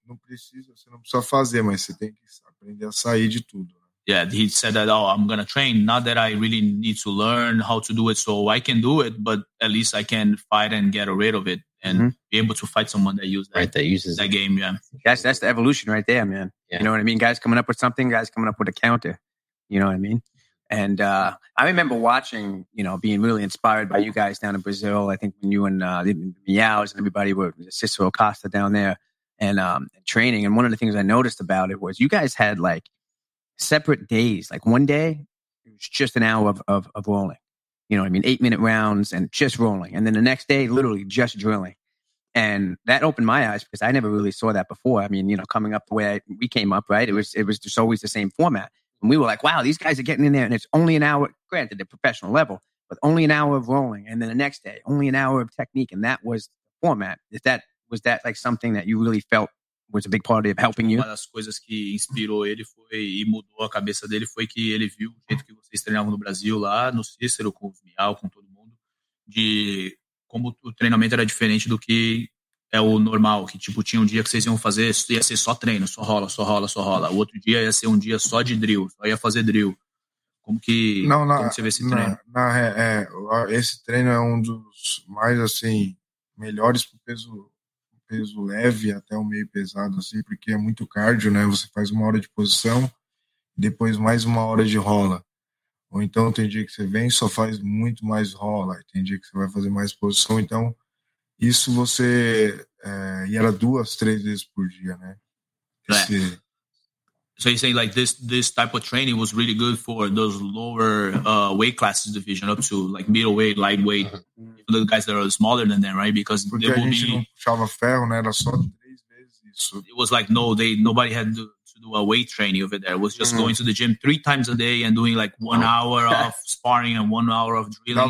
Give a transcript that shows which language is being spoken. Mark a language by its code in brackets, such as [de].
[pt] Não precisa, você não precisa fazer, mas você tem que aprender a sair de tudo. [en] Yeah, he said that, oh, I'm going to train, not that I really need to learn how to do it, so I can do it, but at least I can fight and get rid of it. And be able to fight someone that uses that game, yeah. That's the evolution right there, man. Yeah. You know what I mean? Guys coming up with something, guys coming up with a counter. You know what I mean? And I remember watching, you know, being really inspired by you guys down in Brazil. I think when you and Meows and everybody were, Cicero Costa down there, and training. And one of the things I noticed about it was you guys had like separate days. Like one day, it was just an hour of rolling. You know what I mean? 8-minute rounds and just rolling. And then the next day, literally just drilling. And that opened my eyes because I never really saw that before. I mean, you know, coming up the way we came up, right? It was just always the same format. And we were like, wow, these guys are getting in there and it's only an hour, granted, the professional level, but only an hour of rolling. And then the next day, only an hour of technique. And that was the format. Was that like something that you really felt was a big part of helping you? [pt] Uma das coisas que inspirou ele foi e mudou a cabeça dele foi que ele viu o jeito que vocês treinavam no Brasil, lá no Cícero, com o Mial, com todo mundo, de como o treinamento era diferente do que é o normal, que tipo, tinha um dia que vocês iam fazer, ia ser só treino, só rola, só rola, só rola. O outro dia ia ser um dia só de drill, só ia fazer drill. Como que, não, na, como você vê esse treino? Esse treino é um dos mais, assim, melhores pro peso leve até o meio pesado, assim, porque é muito cardio, né? Você faz uma hora de posição, depois mais uma hora de rola. Ou então tem dia que você vem e só faz muito mais rola, tem dia que você vai fazer mais posição, então isso você... E era duas, três vezes por dia, né? [en] So you're saying like this type of training was really good for those lower weight classes division up to like middleweight, lightweight, uh-huh. The guys that are smaller than them, right? Because [pt] porque [en] they will [pt] a gente [en] be, [pt] não puxava ferro, né? Era só três vezes isso. [en] It was like, no, nobody had to do a weight training over there. It was just going to the gym three times a day and doing like one hour of sparring and 1 hour of drilling,